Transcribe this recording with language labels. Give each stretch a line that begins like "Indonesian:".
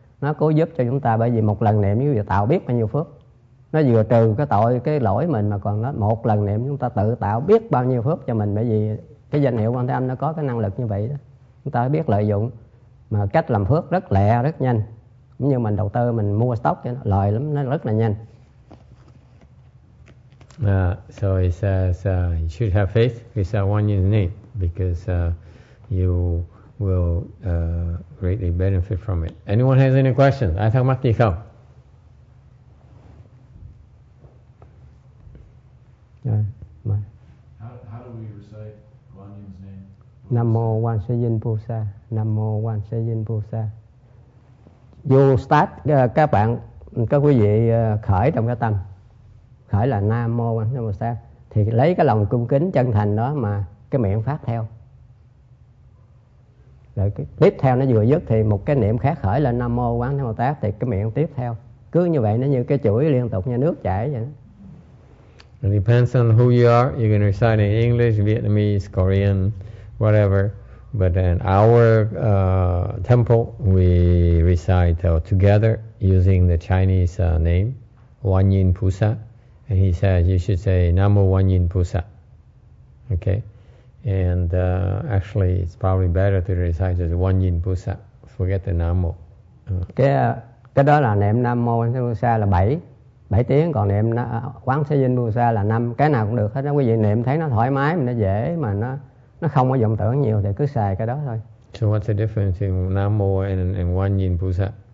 Vietnamese: Nó cố giúp cho chúng ta, bởi vì một lần niệm quý vị tạo biết bao nhiêu phước. Nó vừa trừ cái tội, cái lỗi mình mà còn nó một lần niệm chúng ta tự tạo biết bao nhiêu phước cho mình, bởi vì cái danh hiệu Quan Thế Âm nó có cái năng lực như vậy đó. Chúng ta biết lợi dụng, mà cách làm phước rất lẹ, rất nhanh. Cũng như mình đầu tư, mình mua stock cho nó, lời lắm, nó rất là nhanh.
English: So he says, you should have faith, recite one in the name, because you will greatly benefit from it. Anyone has any questions?
Vietnamese: Ai thắc mắc gì không?
English: How do we recite Guanyin's name?
Vietnamese: Nam mô Quan Thế Âm Bồ Tát. Nam mô Quan Thế Âm Bồ Tát.
English: You start,
Vietnamese: các bạn, các quý vị khởi trong cái tâm. Khởi là Nam mô Quan Thế Âm Bồ Tát. Thì lấy cái lòng cung kính chân thành đó mà cái miệng phát theo. Rồi cái tiếp theo nó vừa dứt thì một cái niệm khác khởi lên Nam Mô Quán Thế Bồ Tát, thì cái miệng tiếp theo. Cứ như vậy nó như cái chuỗi liên tục như nước chảy vậy đó.
English: It depends on who you are. You can recite in English, Vietnamese, Korean, whatever. But in our temple, we recite together using the Chinese name, Wan Yin Pusa. And he says you should say Namo Wan Yin Pusa. Okay? And actually, it's probably better to recite just one yin pusa. Forget the namo.
Vietnamese: Cái đó là niệm nam mô quán thế pusa là 7 tiếng, còn niệm quán thế yin pusa là 5. Cái nào cũng được hết. Đó quý vị niệm thấy nó thoải mái, mà nó dễ, mà nó không có vọng tưởng nhiều thì cứ xài cái đó thôi.
English: So what's the difference in namo and one yin pusa?